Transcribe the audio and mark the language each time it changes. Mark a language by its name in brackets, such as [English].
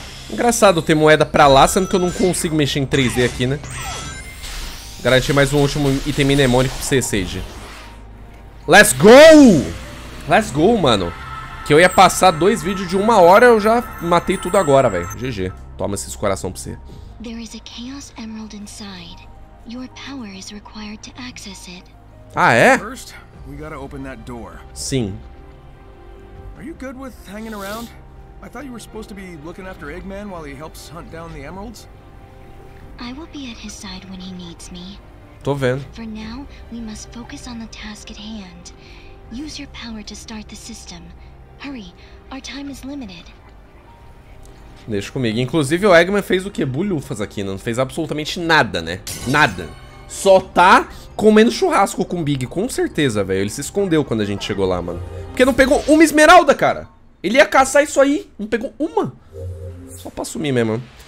[Portuguese] Engraçado ter moeda pra lá, sendo que eu não consigo mexer em 3D aqui, né? Garantir mais um último item mnemônico pra você, Sage. [English] Let's go! Let's go, [Portuguese] mano. Que eu ia passar dois vídeos de uma hora, eu já matei tudo agora, velho. GG. Toma esses coração pra você. [English] There is a Chaos Emerald inside. Your power is required to access it. [Portuguese] Ah, é? [English] First, we gotta open that door. [Portuguese] Sim. [English] Are you good with hanging around? I thought you were supposed to be looking after Eggman while he helps hunt down the emeralds. I will be at his side when he needs me. [Portuguese] Tô vendo. [English] For now, we must focus on the task at hand. Use your power to start the system. Hurry, our time is limited. [Portuguese] Deixa comigo. Inclusive o Eggman fez o quê? Bulhufas aqui, não fez absolutamente nada, né? Nada. Só tá comendo churrasco com o Big, com certeza, velho. Ele se escondeu quando a gente chegou lá, mano. Porque não pegou uma esmeralda, cara. Ele ia caçar isso aí, não pegou uma. Só pra sumir mesmo.